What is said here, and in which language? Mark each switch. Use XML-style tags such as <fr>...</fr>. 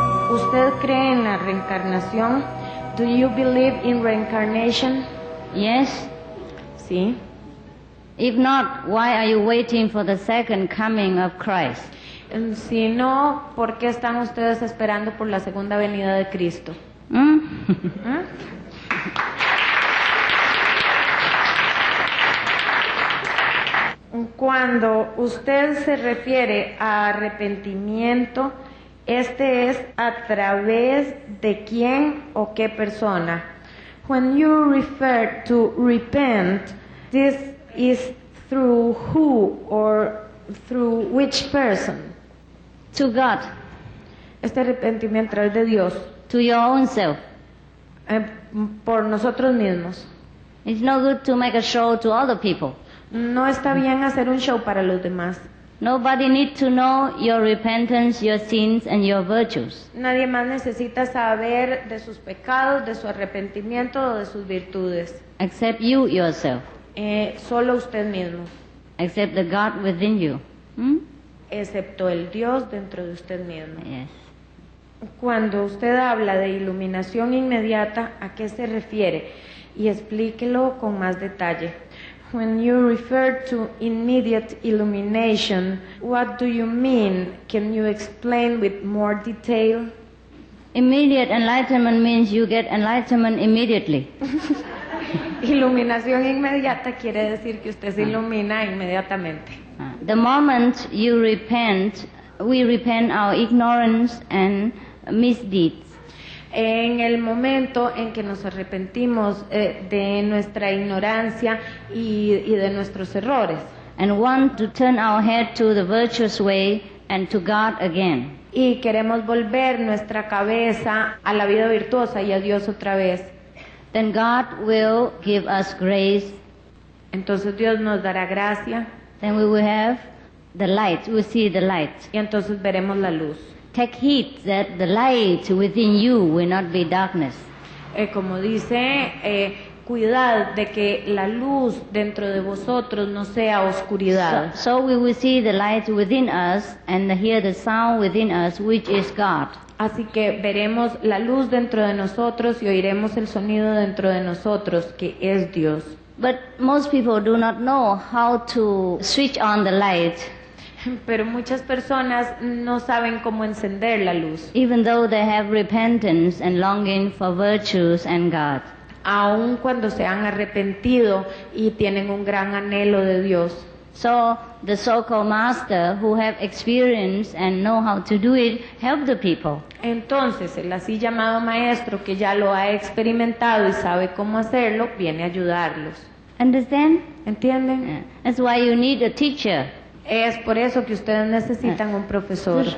<es>¿Usted cree en la reencarnación?</es> <en>Do you believe in reincarnation? Yes.</en> <es>Sí.</es> <en>If not, why are you waiting for the second coming of Christ?</en> <es>Si no, ¿por qué están ustedes esperando por la segunda venida de Cristo? ¿Mm? Cuando usted se refiere a arrepentimiento, este es a través de quién o qué persona.</es> <en>When you refer to repent, this is through who or through which person? To God.</en> <es>Este arrepentimiento es de Dios.</es> <en>To your own self.</en> <es>Por nosotros mismos.</es> <en>It's no good to make a show to other people.</en> <es>No está bien hacer un show para los demás.</es> <en>Nobody need to know your repentance, your sins, and your virtues.</en> <es>Nadie más necesita saber de sus pecados, de su arrepentimiento o de sus virtudes.</es> <en>Except you yourself.</en> <es>Solo usted mismo.</es> <en>Except the God within you. Hmm?</en> <es>Excepto el Dios dentro de usted mismo.</es> <en>Yes.</en> <es>Cuando usted habla de iluminación inmediata, ¿a qué se refiere? Y explíquelo con más detalle.</es> <en>When you refer to immediate illumination, what do you mean? Can you explain with more detail? Immediate enlightenment means you get enlightenment immediately.</en> <es>Iluminación inmediata quiere decir que usted se ilumina inmediatamente.</es> <en>The moment you repent, we repent our ignorance and misdeeds.</en> <es>En el momento en que nos arrepentimos de nuestra ignorancia y de nuestros errores.</es> <en>And want to turn our head to the virtuous way and to God again.</en> <es>Y queremos volver nuestra cabeza a la vida virtuosa y a Dios otra vez.</es> <en>Then God will give us grace.</en> <es>Entonces Dios nos dará gracia.</es> <en>Then we will have the light. We will see the light.</en> <es>Y entonces veremos la luz.</es> <en>Take heed that the light within you will not be darkness.</en> <es>Como dice, cuidad de que la luz dentro de vosotros no sea oscuridad.</es> <en>So we will see the light within us and hear the sound within us, which is God.</en> <es>Así que veremos la luz dentro de nosotros y oiremos el sonido dentro de nosotros, que es Dios.</es> <en>But most people do not know how to switch on the light.</en> <es>Pero muchas personas no saben cómo encender la luz.</es> <en>Even though they have repentance and longing for virtues and God.</en> <es>Aun cuando se han arrepentido y tienen un gran anhelo de Dios.</es> <en>So the so-called master who have experience and know how to do it help the people.</en> <es>Entonces el así llamado maestro que ya lo ha experimentado y sabe cómo hacerlo viene a ayudarlos.</es> <en>Understand?</en> <es>¿Entienden?</es> <en>That's why you need a teacher.</en> <es>Es por eso que ustedes necesitan un profesor.</es>